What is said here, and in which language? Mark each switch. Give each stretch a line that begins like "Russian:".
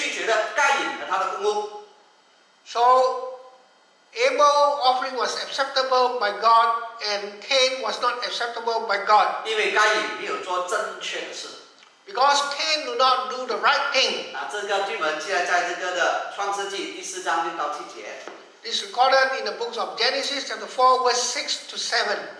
Chinese: 耶和华看中了亚伯和他的公公，却拒绝了该隐和他的公公。
English: So Abel's offering was acceptable by God, and Cain was not acceptable by God.
Chinese: 因为该隐没有做正确的事。
English: Because Cain did not do the right thing.
Chinese: 这个经文记载在这个的创世纪第四章六到七节。
English: This is recorded in the books of Genesis chapter 4, verse 6 to 7.